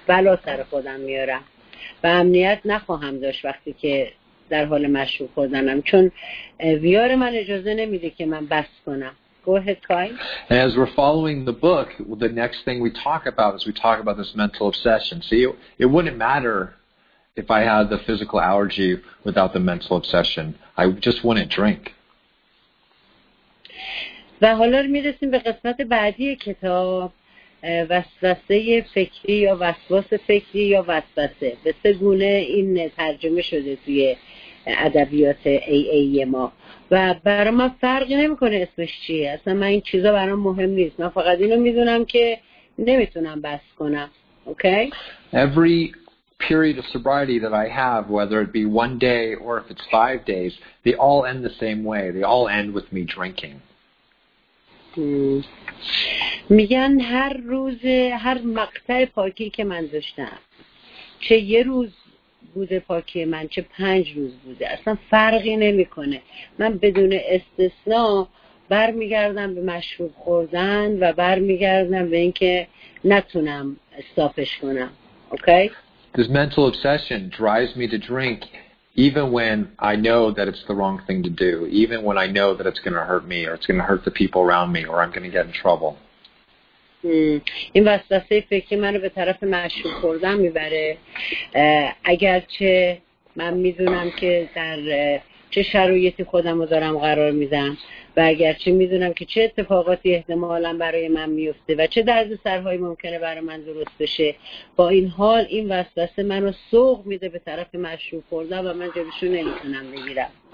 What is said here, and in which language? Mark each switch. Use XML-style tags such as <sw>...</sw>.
<fa>بلا سر خودم میارم و امنیت نخواهم داشت وقتی که در حال مشروب خوردنم، چون ویار من اجازه نمیده که من بس کنم.</fa> <en>Go ahead, Kai. As we're following the book, the next thing we talk about is we talk about this mental obsession. See, it wouldn't matter if I had the physical allergy without the mental obsession. I just wouldn't drink.</en> <fa>و حالا میرسیم به قسمت بعدی کتاب، وسوسه فکری یا وسواس فکری یا وسوسه. به سه گونه این ترجمه شده توی ادبیات AA ما و برای من فرق نمی کنه اسمش چیه. اصلا من این چیزا برام مهم نیست. من فقط اینو میدونم که نمیتونم بس کنم. اوکی؟</fa> <en>Every period of sobriety that I have, whether it be one day or if it's 5 days, they all end the same way. They all end with me drinking.</en> <fa>میگن هر روز، هر مقطع پاکی که من داشتم، چه یه روز بوده پاکی من، چه 5 روز بوده، اصلا فرقی نمی کنه. من بدون استثناء برمیگردم به مشروب خوردن و برمیگردم به اینکه نتونم استاپش کنم. اوکی؟</fa> <en>This mental obsession drives me to drink even when I know that it's the wrong thing to do, even when I know that it's going to hurt me or it's going to hurt the people around me or I'm going to get in trouble.</en> <fa>این وسوسه فکری منو به طرف مشروب خوردن میبره، اگرچه من میدونم که در چه شرایطی خودم رو دارم قرار میدم و اگرچه میدونم که چه اتفاقاتی احتمالا برای من میفته و چه درد سرهایی ممکنه برای من درست بشه، با این حال این وسوسه منو سوق میده به طرف مشروب خوردن و من جلوشو نمیتونم بگیرم.</fa>